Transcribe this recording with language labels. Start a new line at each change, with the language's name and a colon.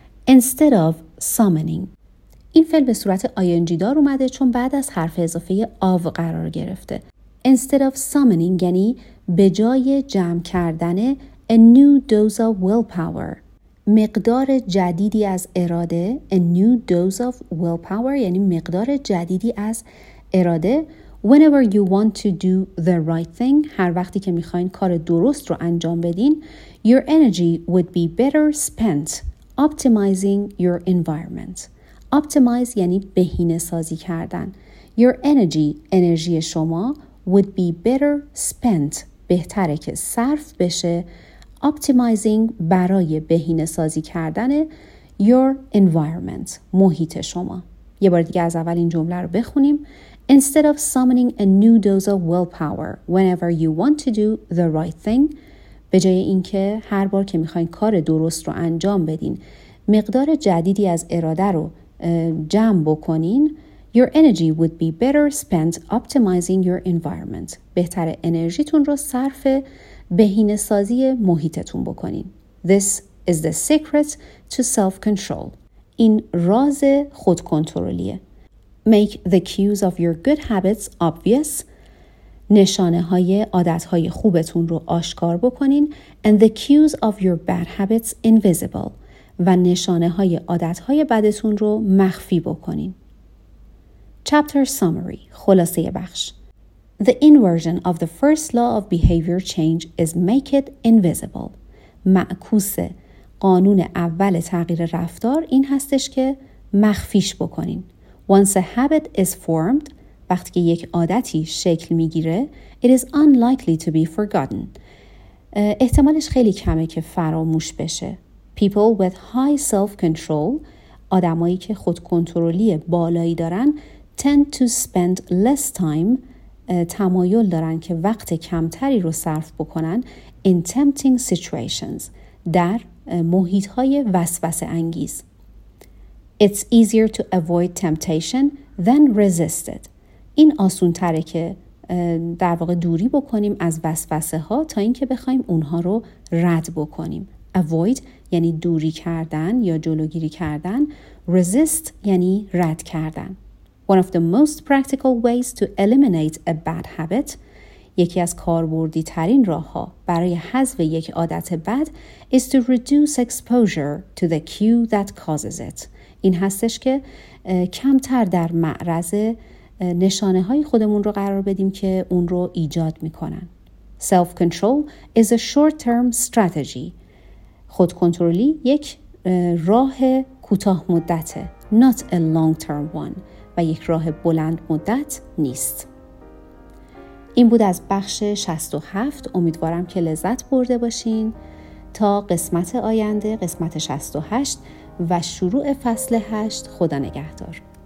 English: Instead of summoning.
Persian: این فعل به صورت ing دار اومده چون بعد از حرف اضافه of قرار گرفته.
English: Instead of summoning
Persian: یعنی به جای جمع کردن
English: a new dose of willpower.
Persian: مقدار جدیدی از اراده.
English: A new dose of willpower
Persian: یعنی مقدار جدیدی از اراده.
English: Whenever you want to do the right thing,
Persian: هر وقتی که میخواین کار درست رو انجام بدین,
English: your energy would be better spent optimizing your environment.
Persian: Optimize یعنی بهینه سازی کردن.
English: Your energy,
Persian: انرژی شما,
English: would be better spent,
Persian: بهتره که صرف بشه, optimizing برای بهینه سازی کردن
English: your environment,
Persian: محیط شما. یه بار دیگه از اول این جمله رو بخونیم.
English: Instead of summoning a new dose of willpower whenever you want to do the right thing,
Persian: به جای اینکه هر بار که میخواین کار درست رو انجام بدین مقدار جدیدی از اراده رو جمع بکنین,
English: your energy would be better spent optimizing your environment.
Persian: بهتر انرژیتون رو صرف بهینه سازی محیطتون بکنین.
English: This is the secret to self-control.
Persian: این راز خودکنترلیه.
English: Make the cues of your good habits obvious.
Persian: نشانه های عادت های خوبتون رو آشکار بکنین.
English: And the cues of your bad habits invisible.
Persian: و نشانه های عادت های بدتون رو مخفی بکنین.
English: Chapter summary.
Persian: خلاصه بخش.
English: The inversion of the first law of behavior change is make it invisible.
Persian: معکوس قانون اول تغییر رفتار این هستش که مخفیش بکنین.
English: Once a habit is formed,
Persian: وقتی که یک عادتی شکل میگیره,
English: it is unlikely to be forgotten.
Persian: احتمالش خیلی کمه که فراموش بشه.
English: P People with high self-control,
Persian: آدمایی که خودکنترلی بالایی دارن,
English: tend to spend less time,
Persian: تمایل دارن که وقت کمتری رو صرف بکنن
English: in tempting situations,
Persian: در محیط‌های وسوسه انگیز.
English: It's easier to avoid temptation than resist it.
Persian: این آسون تره که در واقع دوری بکنیم از وسوسه ها تا اینکه بخوایم اونها رو رد بکنیم. Avoid یعنی دوری کردن یا جلوگیری کردن. Resist یعنی رد کردن.
English: One of the most practical ways to eliminate a bad habit,
Persian: یکی از کاربردی ترین راه ها برای حذف یک عادت بد,
English: is to reduce exposure to the cue that causes it.
Persian: این هستش که کمتر در معرض نشانه های خودمون رو قرار بدیم که اون رو ایجاد میکنن.
English: Self-control is a short-term strategy.
Persian: خودکنترلی یک راه کوتاه مدته,
English: not a long-term one,
Persian: و یک راه بلند مدت نیست. این بود از بخش 67. امیدوارم که لذت برده باشین. تا قسمت آینده, قسمت 68 و شروع فصل 8, خدا نگهدار.